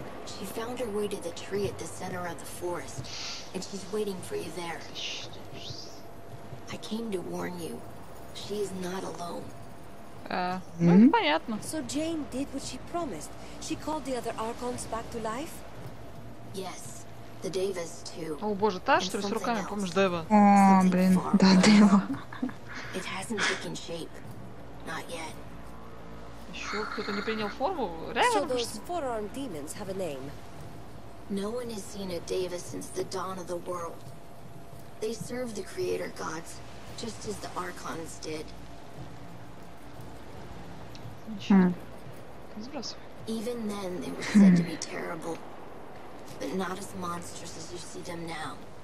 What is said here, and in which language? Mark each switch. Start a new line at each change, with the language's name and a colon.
English: She found her way to the tree at the center of the forest, and she's waiting for you there. I came to warn you. She is not alone.
Russian: Ну, понятно.
English: So Jane did what she promised. She called the other Archons back to life. Yes, the Devas too.
Russian: О боже, та, что ли, с руками, помнишь, Дева? О, блин, да,
English: Дева. It hasn't taken shape. Not yet.
Russian: Еще кто-то не принял форму? Реально?
English: So those four-armed demons have a name. No one has seen a Deva since the dawn of the world. They serve the creator gods, just as the Archons did. Even then, they were said to be terrible, but not as monstrous as you see them now.